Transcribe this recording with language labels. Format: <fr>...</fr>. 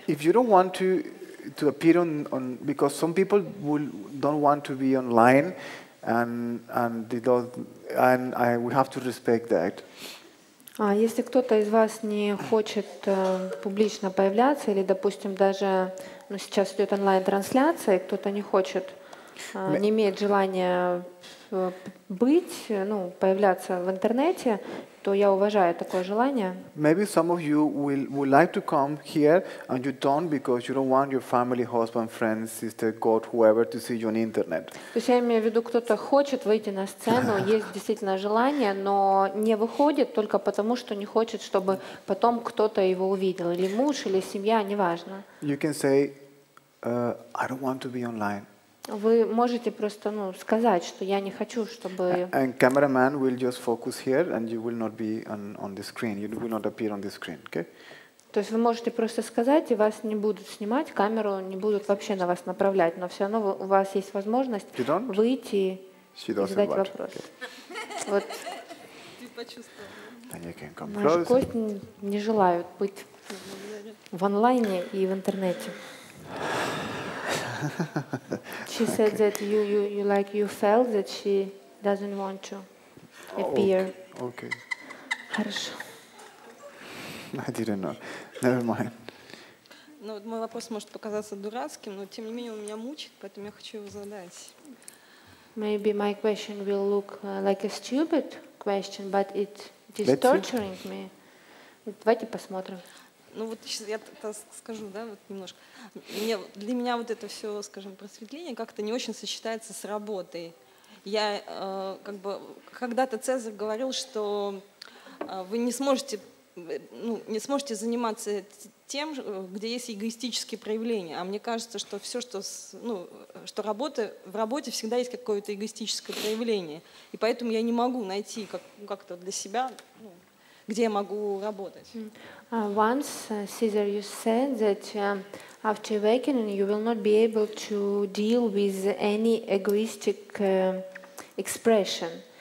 <en>If you don't want to appear on because some people will don't want to be online and they don't and I we have to respect that.</en> <ru>А если кто-то из вас не хочет публично появляться или, допустим, даже ну сейчас идет онлайн-трансляция, кто-то не хочет, не имеет желания быть, ну появляться в интернете, то я уважаю такое желание.</ru> <en>Maybe some of you would like to come here and you don't because you don't want your family, husband, friends, sister, God, whoever to see you on internet.</en> <ru>То есть я имею в виду, кто-то хочет выйти на сцену, есть действительно желание, но не выходит только потому, что не хочет, чтобы потом кто-то его увидел, или муж, или семья, неважно.</ru> <en>You can say, I don't want to be online.</en> <ru>Вы можете просто, ну, сказать, что я не хочу, чтобы.</ru> <en>And cameraman will just focus here, and you will not be on the screen. You will not appear on the screen, okay?</en> <ru>То есть вы можете просто сказать, и вас не будут снимать, камеру не будут вообще на вас направлять, но все равно у вас есть возможность выйти и задать вопрос. Вот. Наши гости не желают быть в онлайне и в интернете.</ru> <en>She said okay. That you like you felt that she doesn't want to appear. Okay.</en> <ru>Хорошо.</ru> <en>I didn't know. Never mind.</en> <ru>Ну, мой вопрос может показаться дурацким, но тем не менее он меня мучит, поэтому я хочу его задать.</ru> <en>Maybe my question will look like a stupid question, but it is torturing me.</en> <ru>Давайте посмотрим. Ну вот сейчас я скажу, да, вот немножко. Для меня вот это все, скажем, просветление как-то не очень сочетается с работой. Я как бы когда-то Цезарь говорил, что вы не сможете, ну, не сможете заниматься тем, где есть эгоистические проявления. А мне кажется, что все, что, ну, что работа, в работе всегда есть какое-то эгоистическое проявление. И поэтому я не могу найти как-то для себя, ну, где я могу работать.</ru> <en>Once, Caesar, you said that after awakening you will not be able to deal with any egoistic expression.</en>